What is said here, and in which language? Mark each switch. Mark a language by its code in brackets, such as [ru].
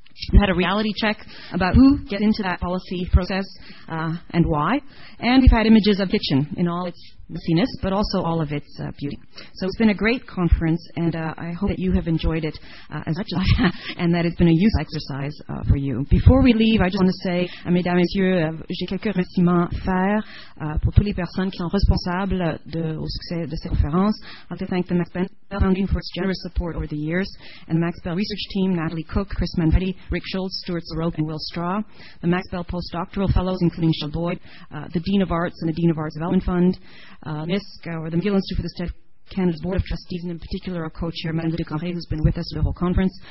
[en] We had a reality check about who gets into that policy process and why. And we've had images of kitchen in all its messiness, but also all of its beauty. So it's been a great conference, and I hope that you have enjoyed it as much as I have, and that it's been a useful exercise for you. Before we leave, I just want to say, [fr] mesdames, messieurs, j'ai quelques remerciements à faire pour toutes les personnes qui sont responsables au succès de cette conférence. [en] I'd like to thank the Max Bell Foundation for its generous support over the years, and the Max Bell Research Team, Natalie Cook, Chris Manfredi, Rick Schultz, Stuart Sorok, and Will Straw, the Max Bell Postdoctoral Fellows, including Shel Boyd, the Dean of Arts and the Dean of Arts Development Fund, MISC, or the McGill Institute for the State of Canada's Board of Trustees, and in particular our co-chair, Madame de Carré, who's been with us for the whole conference.